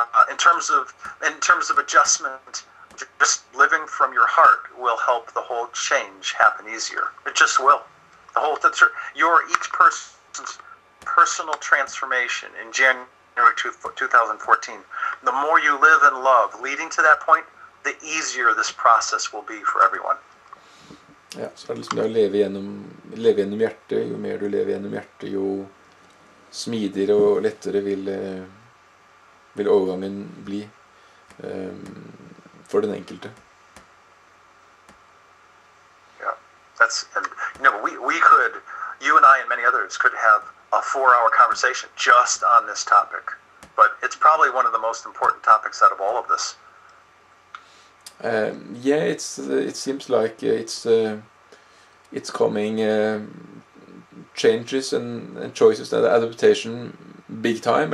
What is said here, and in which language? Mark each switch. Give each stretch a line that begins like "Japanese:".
English: In terms of adjustment, just living from your heart will help the whole change happen easier. It just will. Each person's personal transformation in January 2014, the more you live in love leading to that point, the easier this process will be for everyone.
Norwegian: Ja, så liksom det å leve gjennom hjertet, jo mer du lever gjennom hjertet, jo smidigere og lettere vil overgangen bli for den enkelte.
English: That's, and you know, we could, you and I and many others could have a 4-hour conversation just on this topic, but it's probably one of the most important topics out of all of this. Yeah, it seems like it's coming changes and choices and adaptation big time,